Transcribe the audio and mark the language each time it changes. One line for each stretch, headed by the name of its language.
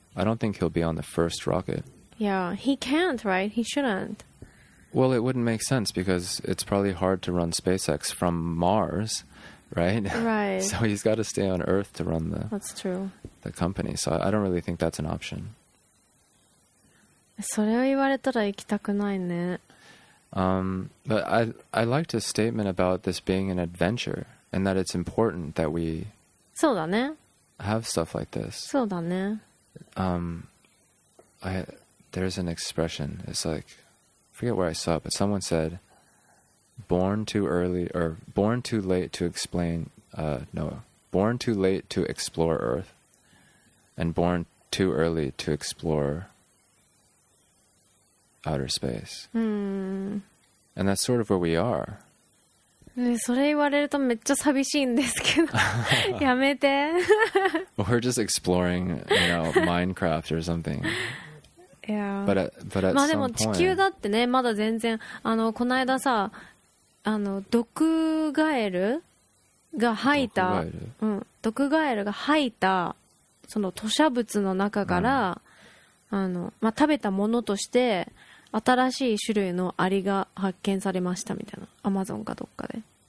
English: I don't think he'll be on the first rocket. Yeah, he can't, right? He shouldn't. Well, it wouldn't make sense because it's probably hard to run SpaceX from Mars, right? Right. So he's got to stay on Earth to run the... That's true. ...the company. So I don't really think that's an option.
Japanese: それを言われたら行きたくないね。
English: But I liked his statement about this being an adventure and that it's important that we...
Japanese: そうだね。
English: ...have stuff like this.
Japanese: そうだね。
English: There's an expression. It's like, I forget where I saw it, but someone said, "Born too early or born too late to explain." Born too late to explore Earth, and born too early to explore outer space. Hmm. And that's sort of where we are.
Japanese: それ言われるとめっちゃ寂しいんですけど、やめて。
English: We're just exploring, you know, Minecraft or something. Yeah. But at
Japanese: まあでも地球だってね、まだ全然、あのこの間さ、あの毒ガエルが吐いた、毒ガエルが吐いたその吐砂物の中から、あのまあ食べたものとして新しい種類のアリが発見されましたみたいな、アマゾンかどっかで。